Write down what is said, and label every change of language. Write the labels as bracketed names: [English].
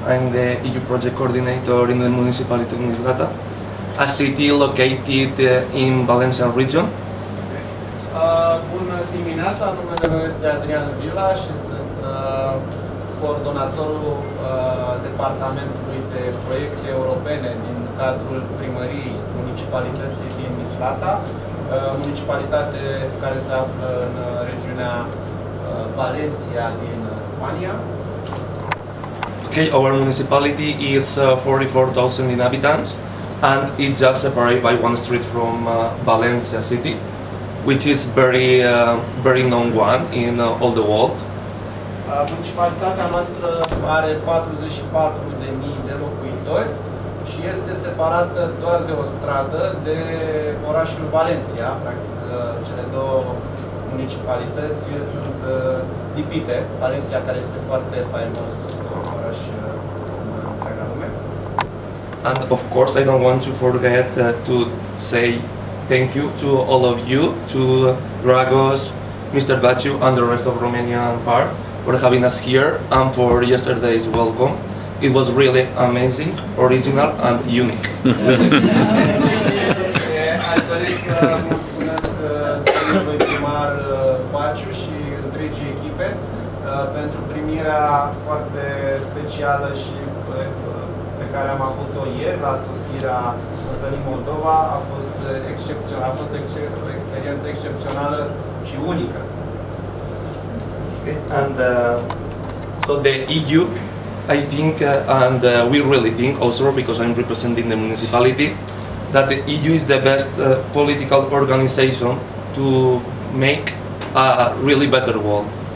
[English] I'm the EU project coordinator in the municipality of Mislata, a city located in Valencia region. Okay. [Romanian] Bună dimineața, numele meu este Adrian Vila și sunt coordonatorul departamentului de proiecte europene din cadrul primăriei municipalității din Mislata, municipalitate care se află în regiunea Valencia din Spania. [English] Okay, our municipality is 44,000 inhabitants and it's just separated by one street from Valencia city, which is very very known one in all the world. [Romanian] Municipalitatea noastră are 44.000 de locuitori și este separată doar de o stradă de orașul Valencia, practic cele două municipalități sunt lipite, Valencia care este foarte faimos oraș [English] And of course, I don't want to forget to say thank you to all of you, to Dragos, Mr. Baciu, and the rest of Romanian part for having us here and for yesterday's welcome. It was really amazing, original, and unique. [Romanian] Aș dori să mulțumesc domnului primar Baciu și întregii echipe pentru primirea foarte specială și care am avut-o ieri la sosirea Măsălin Moldova, a fost o experiență excepțională și unică. [English] And so the EU, I think, and we really think also, because I'm representing the municipality, that the EU is the best political organization to make a really better world.